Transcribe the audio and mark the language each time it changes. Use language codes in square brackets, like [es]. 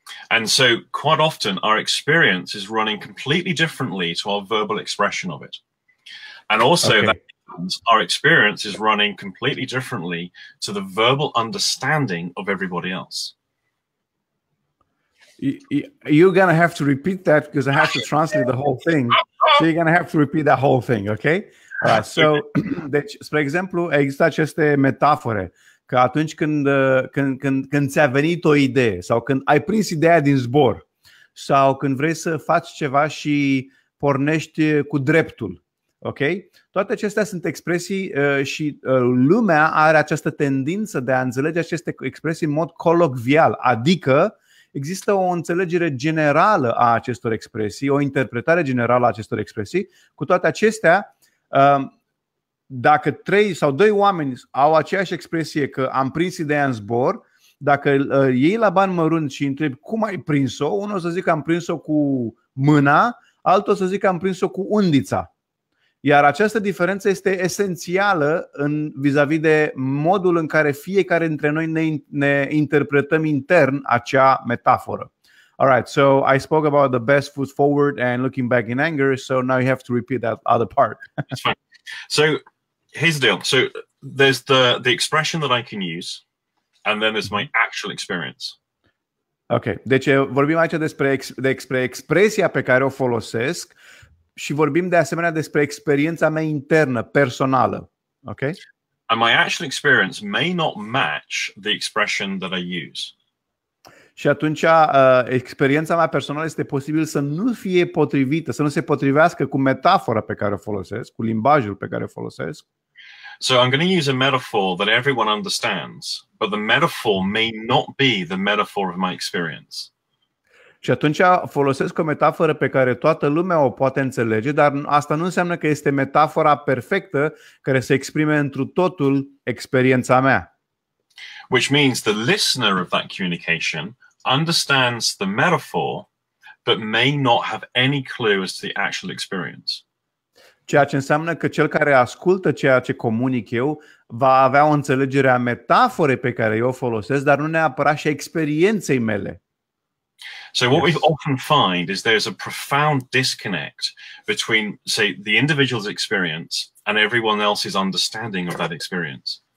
[en] And so quite often our experience is running completely differently to our verbal expression of it. And also our experience is running completely differently to the verbal understanding of everybody else. You're going to have to repeat that because I have to translate the whole thing. So you're going to have to repeat that whole thing, okay? All right, so, [ro] deci, spre exemplu, există aceste metafore că atunci când ți-a venit o idee sau când ai prins ideea din zbor sau când vrei să faci ceva și pornești cu dreptul, okay? Toate acestea sunt expresii și lumea are această tendință de a înțelege aceste expresii în mod colocvial, adică există o înțelegere generală a acestor expresii, o interpretare generală a acestor expresii. Cu toate acestea, dacă trei sau doi oameni au aceeași expresie că am prins ideea în zbor, dacă iei la bani mărunt și întrebi cum ai prins-o, unul o să zic că am prins-o cu mâna, altul o să zic că am prins-o cu undița. Iar această diferență este esențială în vis-a-vis de modul în care fiecare dintre noi ne interpretăm intern acea metaforă. [en] All right, so I spoke about the best foot forward and looking back in anger, so now you have to repeat that other part. That's fine. So here's the deal. So there's the expression that I can use, and then there's my actual experience. [ro] Okay, deci vorbim aici despre expresia pe care o folosesc. Și vorbim de asemenea despre experiența mea internă, personală. [en] Okay? And my actual experience may not match the expression that I use. [ro] Și atunci experiența mea personală este posibil să nu fie potrivită, să nu se potrivească cu metafora pe care o folosesc, cu limbajul pe care o folosesc. [en] So I'm going to use a metaphor that everyone understands, but the metaphor may not be the metaphor of my experience. [ro] Și atunci folosesc o metaforă pe care toată lumea o poate înțelege, dar asta nu înseamnă că este metafora perfectă care se exprime întru totul experiența mea. [en] Which means the listener of that communication understands the metaphor, but may not have any clue as to the actual experience. [ro] Ceea ce înseamnă că cel care ascultă ceea ce comunic eu va avea o înțelegere a metaforei pe care eu o folosesc, dar nu neapărat și a experienței mele. [en] So what we often find is there's a profound disconnect between, say, the individual's experience and everyone else's understanding of that experience.